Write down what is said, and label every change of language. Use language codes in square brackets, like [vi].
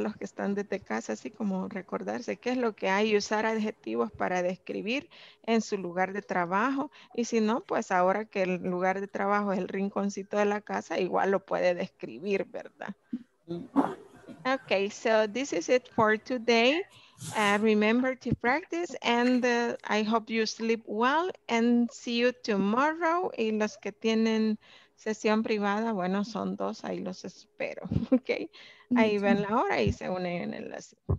[es] Los que están desde casa, así como recordarse qué es lo que hay y usar adjetivos para describir en su lugar de trabajo. Y si no, pues ahora que el lugar de trabajo es el rinconcito de la casa, igual lo puede describir, ¿verdad? [en] Okay. So this is it for today. Remember to practice, and I hope you sleep well, and see you tomorrow. [es] Y los que tienen sesión privada, bueno, son dos, ahí los espero, okay? Ahí ven la hora y se unen en el enlace.